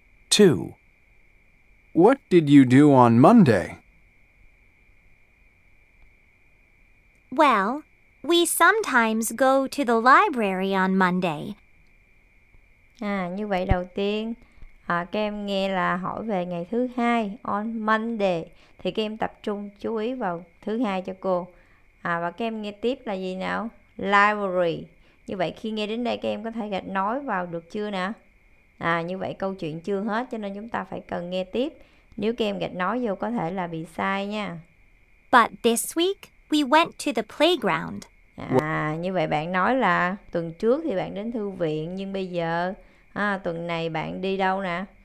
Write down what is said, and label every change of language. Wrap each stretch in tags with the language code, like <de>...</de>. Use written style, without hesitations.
<en>Two. What did you do on Monday? Well, we sometimes go to the library on Monday.</en> <vi>Như vậy đầu tiên, các em nghe là hỏi về ngày thứ hai,</vi> <en>on Monday.</en> <vi>Thì các em tập trung chú ý vào thứ hai cho cô. Và các em nghe tiếp là gì nào? Library. Như vậy khi nghe đến đây các em có thể gạch nói vào được chưa nè? Như vậy câu chuyện chưa hết, cho nên chúng ta phải cần nghe tiếp. Nếu các em gạch nói vô có thể là bị sai nha.</vi> <en>But this week, we went to the playground.</en> <vi>Như vậy bạn nói là tuần trước thì bạn đến thư viện, nhưng bây giờ tuần này bạn đi đâu nè?</vi>